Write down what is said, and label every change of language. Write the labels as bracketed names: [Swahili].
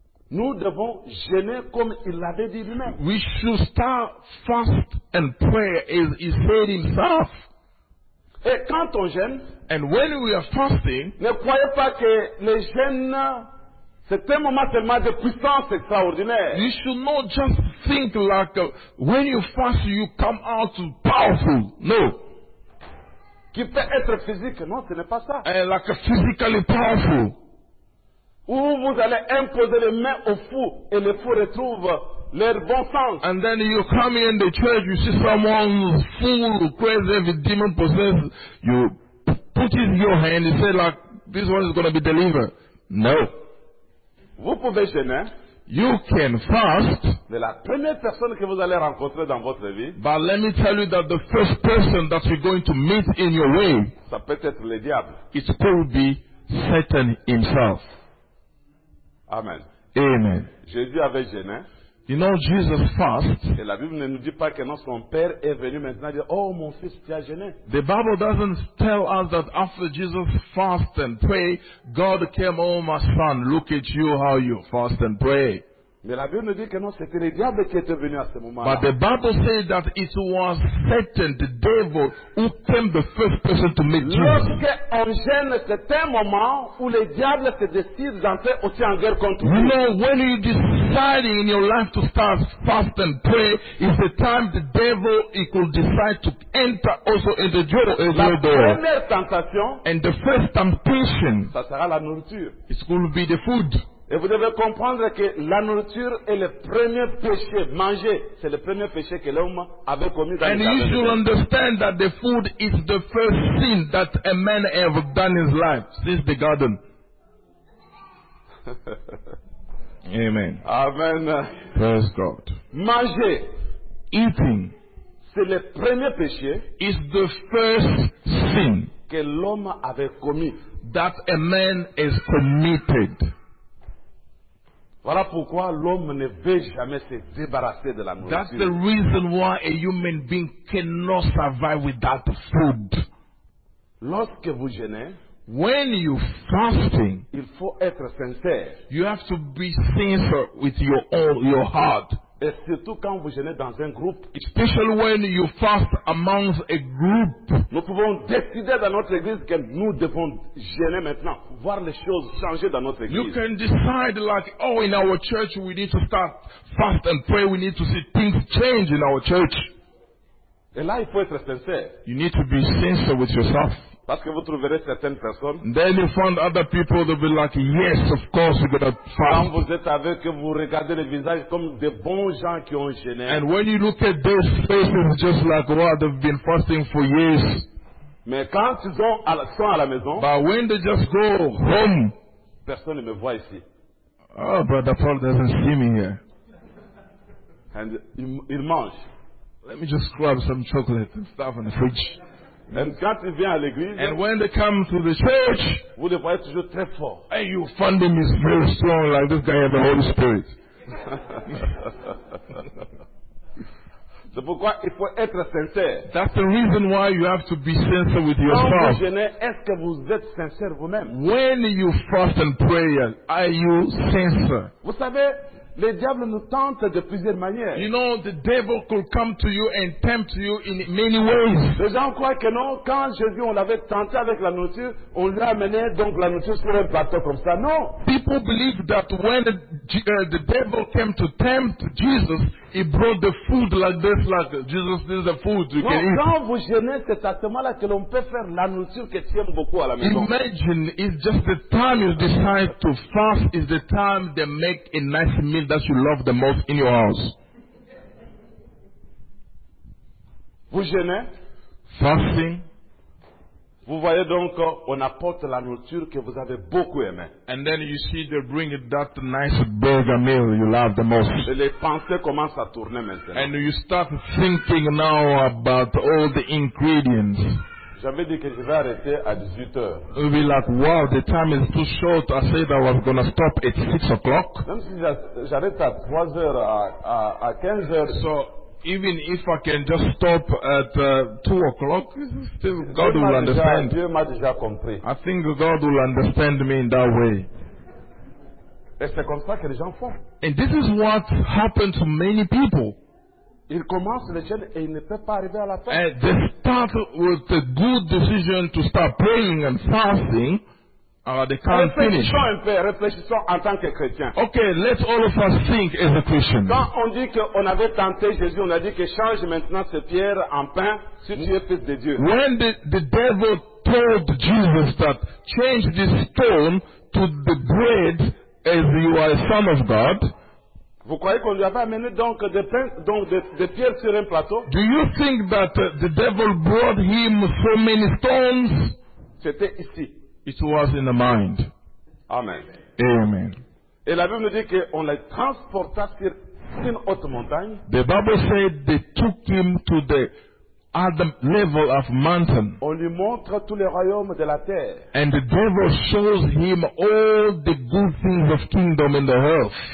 [French] Nous devons jeûner comme il l'avait dit lui-même. [English] We should start fast and pray as he said himself. [French] Et quand on jeûne, [English] and when we are fasting, [French] ne croyez pas que le jeûne c'est un moment tellement de puissance extraordinaire. [English] You should not just think like when you fast you come out powerful. No. [French] Qui peut être physique, non, ce n'est pas ça. [English] Like physically powerful. [French] Où vous allez imposer les mains aux fous et les fous retrouvent leur bon sens. [English] And then you come in the church, you see someone fool, crazy, with demon possessed. You put in your hand and say like, this one is going to be delivered. No. [French] Vous pouvez jeûner. [English] You can fast. [French] Mais la première personne que vous allez rencontrer dans votre vie. [English] But let me tell you that the first person that you're going to meet in your way. [French] Ça peut être le diable. [English] It could be Satan himself. Amen. Amen. [French] Jésus avait jeûné. [English] You know Jesus fast. [French] Et la Bible ne nous dit pas que non, son père est venu maintenant dire, oh mon fils, tu as jeûné. [English] The Bible doesn't tell us that after Jesus fast and pray, God came, oh my son, look at you how you fast and pray. [French] Mais la Bible nous dit que non, c'était le diable qui était venu à ce moment. [English] But the Bible says that it was Satan, the devil, who came the first person to meet Jesus. [French] Lorsque on jeûne, c'est un moment où le diable se décide d'entrer aussi en guerre contre vous. [English] You know, when you decide in your life to start fast and pray, is the time the devil he could decide to enter also in the door. [French] La première tentation. [English] And the first temptation. [French] Ça sera la nourriture. [English] It could be the food. [French] Et vous devez comprendre que la nourriture est le premier péché. Manger, c'est le premier péché que l'homme avait commis dans sa vie. [English] And you should understand that the food is the first sin that a man ever done in his life since the garden. Amen. Amen. Praise God. [French] Manger, [English] eating, [French] c'est le premier péché. [English] Is the first sin [French] que l'homme avait commis. [English] That a man has committed. [French] Voilà pourquoi l'homme ne veut jamais se débarrasser de la nourriture. [English] That's the reason why a human being cannot survive without food. [French] Lorsque vous jeûnez, [English] when you fasting, [French] il faut être sincère. [English] You have to be sincere with your heart. [French] Et surtout quand vous jeûnez dans un groupe. [English] Especially when you fast amongst a group. [French] Nous pouvons décider dans notre église que nous devons jeûner maintenant, voir les choses changer dans notre église. [English] You can decide like, oh, in our church we need to start fast and pray. We need to see things change in our church. [French] Et là, il faut être sincère. [English] You need to be sincere with yourself. [French] Parce que vous trouverez certaines personnes. [English] Then you find other people to be like, yes, of course, we're gonna fast. [French] Quand vous êtes avec, vous regardez les visages comme des bons gens qui ont gêné. [English] And when you look at those faces, just like, wow, they've been fasting for years. [French] Mais quand ils sont à la maison. [English] But when they just go home. [French] Personne ne me voit ici. [English] Oh, Brother Paul doesn't see me here. And [French] il mange. [English] Let me just grab some chocolate and stuff in the fridge. [French] Et quand ils viennent à l'église, [English] and when they come to the church, [French] vous les voyez toujours très forts. [English] And you find them is very strong, like this guy has the Holy Spirit. [French] C'est pourquoi il faut être sincère. [English] That's the reason why you have to be sincere with yourself. [French] Quand vous jeûnez, est-ce que vous êtes sincère vous-même? [English] When you fast and pray, are you sincere? [French] Vous savez, le diable nous tente de plusieurs manières. [English] You know, the devil could come to you and tempt you in many ways. [French] Les gens croient que non, quand Jésus on l'avait tenté avec la nourriture, on lui a amené donc la nourriture sur un plateau comme ça. Non. [English] People believe that when the devil came to tempt Jesus, he brought the food like this, like Jesus, this is the food you [French] non, [English] can [French] quand [English] eat. [French] Quand vous jeûnez, c'est à ce moment-là que l'on peut faire la nourriture que tu aimes beaucoup à la maison. [English] Imagine, it's just the time you decide to fast is the time they make a nice meal that you love the most in your house. [French] Vous jeûnez. [English] Fasting. [French] Vous voyez donc, on apporte la nourriture que vous avez beaucoup aimé. [English] And then you see they bring that nice burger meal you love the most. [French] Et les pensées commencent à tourner maintenant. [English] And you start thinking now about all the ingredients. [French] J'avais dit que je vais arrêter à 18h. [English] You'll be like, wow, the time is too short. I said I was going to stop at 6 o'clock. [French] Même si j'arrête à 3h, à 15h. [English] So, even if I can just stop at 2 o'clock, still God will understand. [French] Dieu m'a déjà compris. [English] I think God will understand me in that way. [French] Et c'est comme ça que les gens font. [English] And this is what happened to many people. [French] Ils commencent le jeûne et ils ne peuvent pas arriver à la fin. [English] And they start with a good decision to start praying and fasting. They can't finish. [French] Réfléchissons en tant que chrétien. [English] Okay, let all of us think as a Christian. [French] Quand on dit qu'on avait tenté Jésus, on a dit que change maintenant cette pierre en pain si tu es fils de Dieu. [English] When the devil told Jesus that change this stone to the bread as you are a son of God. [French] Vous croyez qu'on lui avait amené donc des pains, donc des pierres sur un plateau? [English] Do you think that the devil brought him so many stones? [French] C'était ici. [English] It was in the mind. Amen. Amen. [French] Et la Bible dit qu'on l'a transporté sur une haute montagne. [English] The Bible said they took him to the other level of mountain. [French] On lui montre tous les royaumes de la terre. [English] And the devil shows him all the good things of kingdom in the earth.